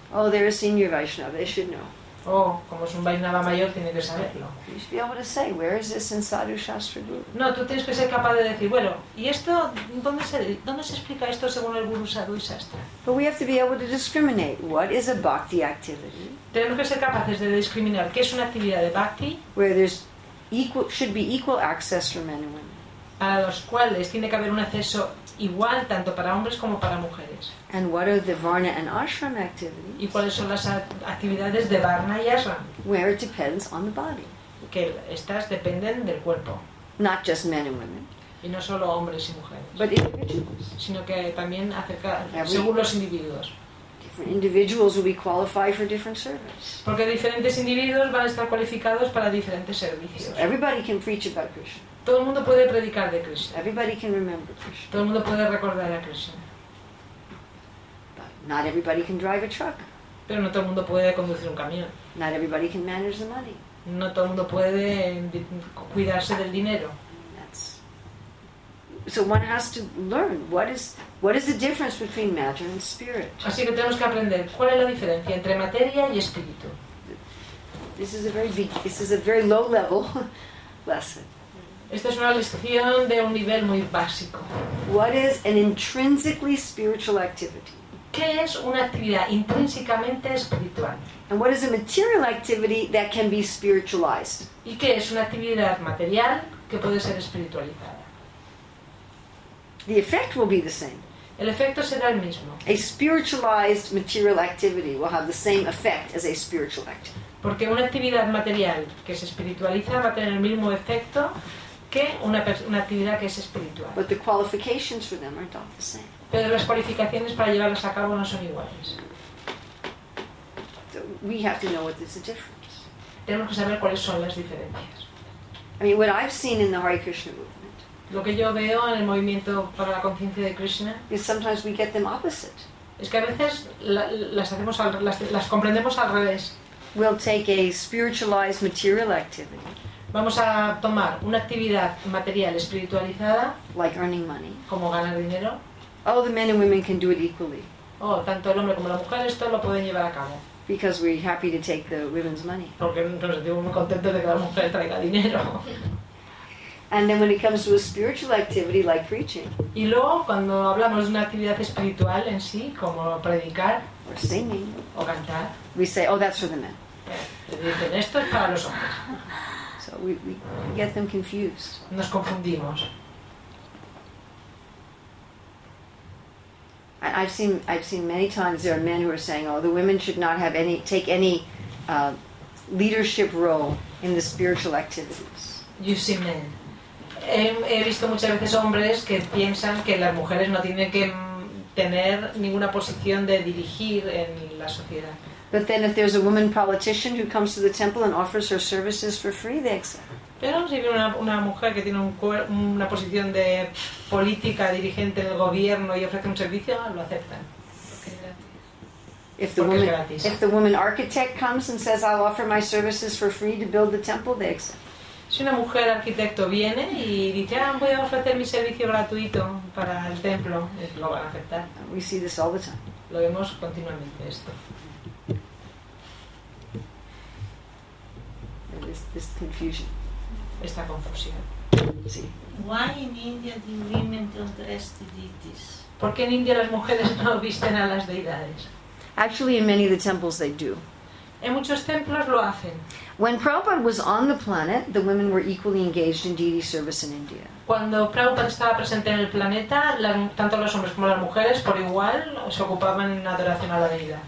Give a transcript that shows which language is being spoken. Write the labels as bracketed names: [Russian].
[English] Oh, they're a senior Vaishnava, they should know. [Spanish] Oh, como es un Vaishnava mayor, tiene que saberlo. [English] You should be able to say, where is this in Sadhu Shastra Guru? [Spanish] No, tú tienes que ser capaz de decir, bueno, ¿y esto, dónde se explica esto según el Guru Sadhu y Shastra? [English] But we have to be able to discriminate. What is a bhakti activity? [Spanish] Tenemos que ser capaces de discriminar qué es una actividad de bhakti. [English] Where there's equal, should be equal access for men and women. [Spanish] A los cuales tiene que haber un acceso igual tanto para hombres como para mujeres. [English] And what are the varna and ashram activities? [Spanish] ¿Y cuáles son las actividades de varna y ashram? [English] Where it depends on the body. [Spanish] Que estas dependen del cuerpo. [English] Not just men and women. [Spanish] Y no solo hombres y mujeres. [English] But individuals. [Spanish] Sino que también acerca según los individuos. [English] Different individuals will be qualified for different service. [Spanish] Porque diferentes individuos van a estar cualificados para diferentes servicios. [English] So everybody can preach about Krishna. [Spanish] Todo el mundo puede predicar de Krishna. [English] Everybody can remember Krishna. [Spanish] Todo el mundo puede recordar a Krishna. [English] But not everybody can drive a truck. [Spanish] Pero no todo el mundo puede conducir un camión. [English] Not everybody can manage the money. [Spanish] No todo el mundo puede cuidarse del dinero. [English] So one has to learn what is the difference between matter and spirit. [Spanish] Así que tenemos que aprender cuál es la diferencia entre materia y espíritu. [English] This is a very low level lesson. [Spanish] Esta es una lección de un nivel muy básico. [English] What is an intrinsically spiritual activity? [Spanish] ¿Qué es una actividad intrínsecamente espiritual? [English] And what is a material activity that can be spiritualized? [Spanish] ¿Y qué es una actividad material que puede ser espiritualizada? [English] The effect will be the same. [Spanish] El efecto será el mismo. [English] A spiritualized material activity will have the same effect as a spiritual activity. [Spanish] Porque una actividad material que se espiritualiza va a tener el mismo efecto que una actividad que es espiritual. [English] But the qualifications for them are not the same. [Spanish] Pero las cualificaciones para llevarlas a cabo no son iguales. [English] So we have to know what is the difference. [Spanish] Tenemos que saber cuáles son las diferencias. [English] I mean, what I've seen in the Hare Krishna movement. [Spanish] Lo que yo veo en el movimiento para la conciencia de Krishna. [English] Is sometimes we get them opposite. [Spanish] Es que a veces las comprendemos al revés. [English] we'll take a spiritualized material activity. [Spanish] Vamos a tomar una actividad material espiritualizada, [English] like earning money. [Spanish] Como ganar dinero. [English] Oh, the men and women can do it equally. [Spanish] Oh, tanto el hombre como la mujer esto lo pueden llevar a cabo. [English] Because we're happy to take the women's money. [Spanish] Porque nos sentimos muy contentos de que la mujer traiga dinero. [English] And then when it comes to a spiritual activity like preaching. [Spanish] Y luego cuando hablamos de una actividad espiritual en sí, como predicar, [English] or singing, [Spanish] o cantar, [English] we say, oh, that's for the men. [Spanish] Dicen, esto es para los hombres. [English] So we get them confused. [Spanish] Nos confundimos. [English] I've seen many times there are men who are saying, oh, the women should not have any take any leadership role in the spiritual activities. You've seen men. [Spanish] He visto muchas veces hombres que piensan que las mujeres no tienen que tener ninguna posición de dirigir en la sociedad. [English] But then if there's a woman politician who comes to the temple and offers her services for free, they accept. [Spanish] Pero si viene una mujer que tiene una posición de política dirigente en el gobierno y ofrece un servicio, lo aceptan. [English] If the woman, architect comes and says, I'll offer my services for free to build the temple, they accept. [Spanish] Si una mujer arquitecto viene y dice, ah, voy a ofrecer mi servicio gratuito para el templo, lo van a aceptar. [English] We see this all the time. [Spanish] Lo vemos continuamente esto. [English] This confusion. [Spanish] Esta confusión. Sí. [English] Why in India do women don't dress deities? [Spanish] ¿Por qué en India las mujeres no visten a las deidades? [English] Actually, in many of the temples they do. [Spanish] En muchos templos lo hacen. [English] When Prabhupada was on the planet, the women were equally engaged in deity service in India. [Spanish] Cuando Prabhupada estaba presente en el planeta, tanto los hombres como las mujeres por igual se ocupaban en adoración a la deidad.